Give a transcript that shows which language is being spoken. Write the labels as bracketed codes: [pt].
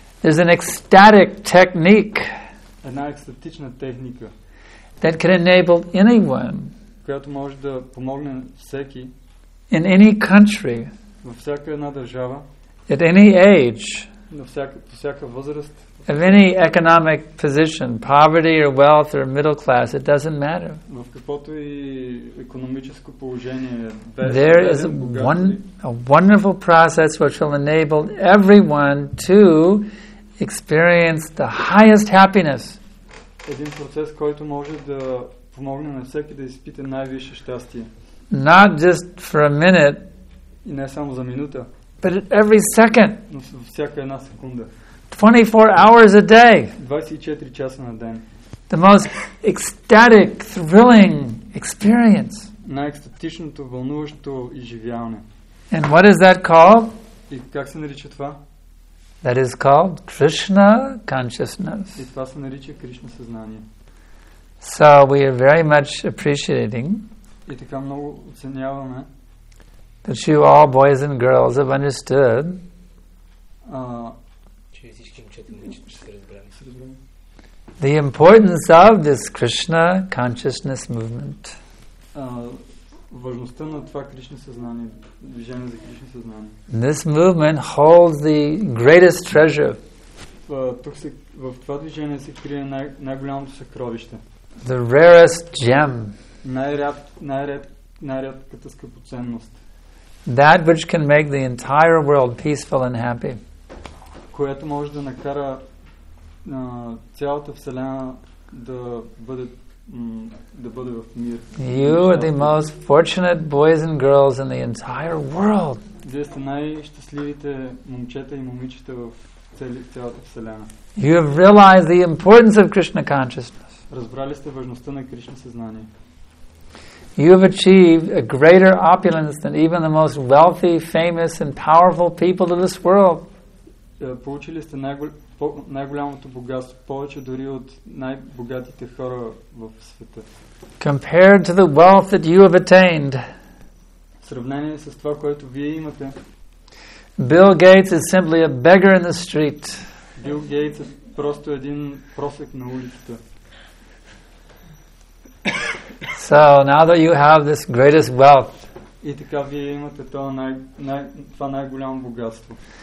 [en] There's an ecstatic technique. [bg] Една екстатична техника. [en] That can enable anyone. [bg] Която може да помогне всеки. [en] In any country. [bg] Във всяка една държава. [en] At any age. [bg] По всяка възраст. [en] Of any economic position, poverty or wealth or middle class, it doesn't matter. [bg] В каквото и икономическо положение, [en] there is a wonderful process which will enable everyone to experience the highest happiness. [bg] Един процес, който може да помогне на всеки да изпита най-висше щастие. [en] Not just for a minute. [bg] И не само за минута. [en] But every second. [bg] Но всяка една секунда. [en] 24 hours a day. [bg] 24 часа на ден. [en] The most ecstatic, thrilling experience. [bg] Най-екстатичното, вълнуващо изживяване. [en] And what is that called? [bg] И как се нарича това? [en] That is called Krishna consciousness. [bg] И това се нарича Кришна съзнание. [en] So we are very much appreciating. [bg] И така много оценяваме. [en] That you all boys and girls have understood. The importance of this Krishna consciousness movement. [bg] Важността на това Кришна съзнание, движение за Кришна съзнание. [en] This movement holds the greatest treasure. [bg] В това движение се крие най-голямото съкровище. [en] The rarest gem. [bg] Най-рядката скъпоценност. [en] That which can make the entire world peaceful and happy. [bg] Което може да накара цялата вселена да бъде в мир. [en] You are the most fortunate boys and girls in the entire world. [bg] Вие сте най-щастливите момчета и момичета в цялата вселена. [en] You have realized the importance of Krishna consciousness. [bg] Разбрали сте важността на Кришна съзнание. [en] You have achieved a greater opulence than even the most wealthy, famous and powerful people in this world. [bg] Получили сте най-голямото богатство, повече дори от най-богатите хора в света. [en] Compared to the wealth that you have attained. [bg] В сравнение с това, което вие имате. [en] Bill Gates is simply a beggar in the street. [bg] Бил Гейтс е просто един просек на улицата. [en] So now that you have this greatest wealth. [bg] И така вие имате това най-голямо богатство.